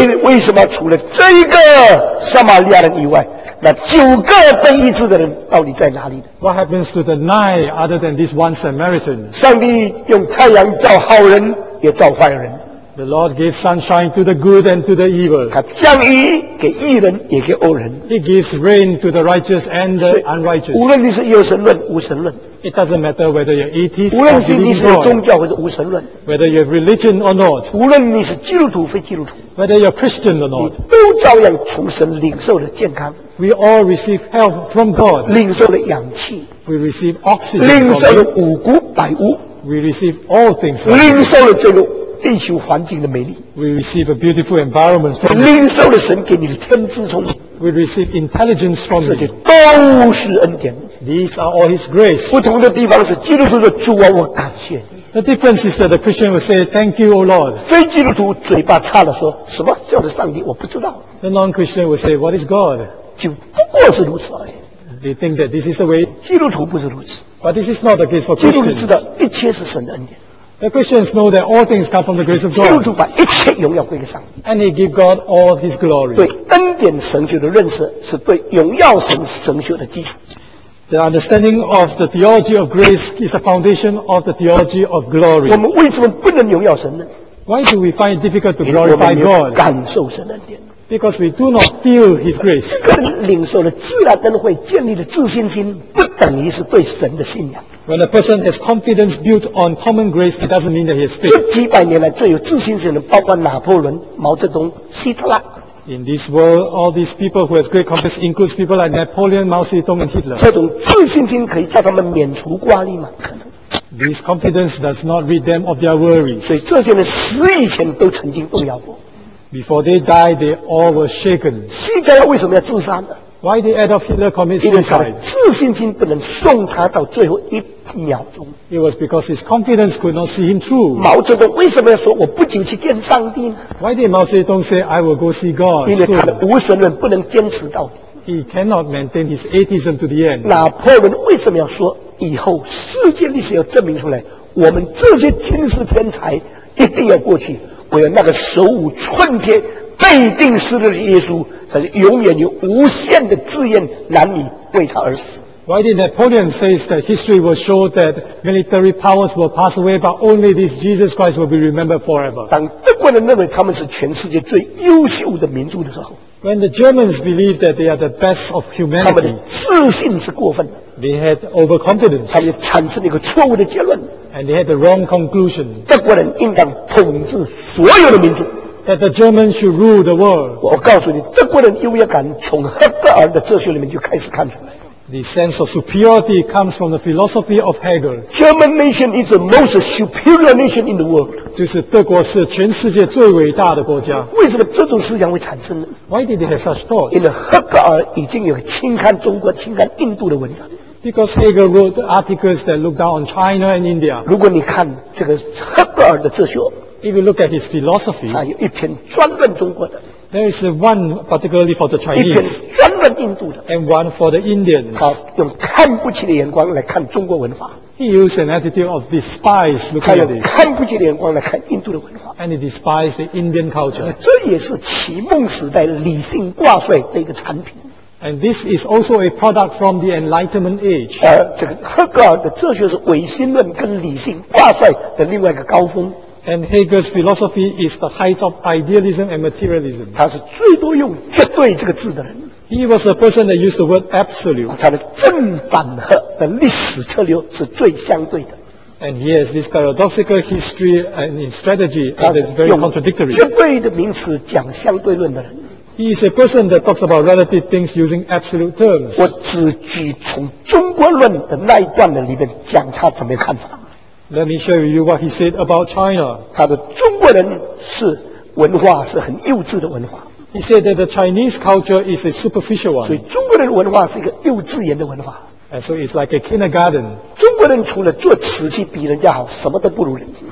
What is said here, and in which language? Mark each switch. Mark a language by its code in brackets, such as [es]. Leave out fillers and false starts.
[zh] 为什么除了这一个撒玛利亚人以外，那九个被医治的人到底在哪里呢？ [en] What happens to the 9 other than this one Samaritan? [zh] 上帝用太阳照好人，也照坏人。 [en] The Lord gave sunshine to the good and to the evil. [zh] 他降雨给义人，也给恶人。 [en] He gives rain to the righteous and the unrighteous. [zh] 无论你是有神论，无神论。 [en] It doesn't matter whether you're atheist. [zh] 无论你是宗教或者无神论。 [en] Whether you have religion or not. [zh] 无论你是基督徒非基督徒。 [en] Whether you're Christian or not. [zh] 你都照样从神领受了健康。 [en] We all receive health from God. [zh] 领受了氧气。 [en] We receive oxygen. [zh] 领受了五谷百物。 [en] We receive all things. [zh] 领受了这个。地球环境的美丽 [en] We receive a beautiful environment from you. [zh] 领受了神给你的天资聪明 [en] We receive intelligence from you. [zh] 这都是恩典 [en] These are all His grace. [zh] 不同的地方是基督徒说主啊我感谢你 [en] The difference is that the Christian will say thank you, O Lord. [zh] 非基督徒嘴巴插了说什么叫做上帝我不知道 [en] The non-Christian will say what is God? [zh] 就不过是如此而已 [en] They think that this is the way [zh] 基督徒不是如此 [en] But this is not the case for Christians. [zh] 基督徒知道一切是神的恩典 [en] The Christians know that all things come from the grace of God. [zh] 基督徒把一切荣耀归给上帝。 [en] And he give God all his glory. [zh] 对恩典神学的认识是对荣耀神神学的基础。 [en] The understanding of the theology of grace is the foundation of the theology of glory. [zh] 我们为什么不能荣耀神呢？ [en] Why do we find it difficult to glorify God? [zh] 感受神恩典。 [en] Because we do not feel his grace. [zh] 个人领受了自然恩惠建立的自信心不等于是对神的信仰。 [en] When a person has confidence built on common grace, it doesn't mean that he has faith. [zh] 这几百年来，最有自信的人，包括拿破仑、毛泽东、希特拉。 [en] In this world, all these people who have great confidence includes people like Napoleon, Mao Zedong, and Hitler. [zh] 这种自信心可以叫他们免除挂虑吗？可能。 [en] This confidence does not rid them of their worries. [zh] 所以这些人死以前都曾经动摇过。 [en] Before they died, they all were shaken. [zh] 希特勒为什么要自杀呢？ [en] Why did Adolf Hitler commit suicide? [zh] 因为他的自信心不能送他到最后一秒钟。 [en] It was because his confidence could not see him through. [zh] 毛泽东为什么要说我不久去见上帝呢？ [en] Why did Mao Zedong say I will go see God? [zh] 因为他的无神论不能坚持到底。 [en] He cannot maintain his atheism to the end. [zh] 拿破仑为什么要说以后世界历史要证明出来，我们这些军事天才一定要过去。我有那个手舞春天被钉十字架的耶稣才是永远有无限的志愿男女为他而死 [en] Why did Napoleon say that history will show that military powers will pass away but only this Jesus Christ will be remembered forever [zh] 当德国人认为他们是全世界最优秀的民族的时候 [en] When the Germans believe that they are the best of humanity [zh] 他们的自信是过分的 [en] They had overconfidence [zh] 他们产生了一个错误的结论 [en] And they had the wrong conclusion [zh] 德国人应当统治所有的民族 [en] That the Germans should rule the world. [zh] 我告诉你，德国人优越感从赫德尔的哲学里面就开始看出来。 [en] The sense of superiority comes from the philosophy of Hegel. German nation is the most superior nation in the world. [zh] 就是德国是全世界最伟大的国家。为什么这种思想会产生呢？ [en] Why did they have such thoughts? [zh] 因为赫德尔已经有轻看中国、轻看印度的文章。 [en] Because Hegel wrote articles that look down on China and India. [zh] 如果你看这个赫德尔的哲学。 [en] If you look at his philosophy, [zh] 他有一篇专论中国的 [en] There is one particularly for the Chinese [zh] 一篇专论印度的 [en] And one for the Indians [zh] 他用看不起的眼光来看中国文化 [en] He used an attitude of despise looking at it. [zh] 看不起眼光来看印度的文化。 [en] And he despised the Indian culture. [zh] 这也是启蒙时代理性挂帅的一个产品。 [en] And this is also a product from the Enlightenment age. [zh] 这个赫格尔的哲学是唯心论跟理性挂帅的另外一个高峰。 [en] And Hegel's philosophy is the height of idealism and materialism. [zh] 他是最多用绝对这个字的人。 [en] He was the person that used the word absolute. [zh] 他的正反合的历史策略是最相对的。 [en] And he has this paradoxical history and his strategy that is very contradictory. [zh] 用绝对的名词讲相对论的人。 [en] He is a person that talks about relative things using absolute terms. [zh] 我只举从中国论的那一段的里面讲他怎么样看法。 [en] Let me show you what he said about China. [zh] 他的中国人是文化是很幼稚的文化。 [en] He said that the Chinese culture is a superficial one. [zh] 所以中国人的文化是一个幼稚园的文化。 [en] And so it's like a kindergarten. [zh] 中国人除了做瓷器比人家好，什么都不如人。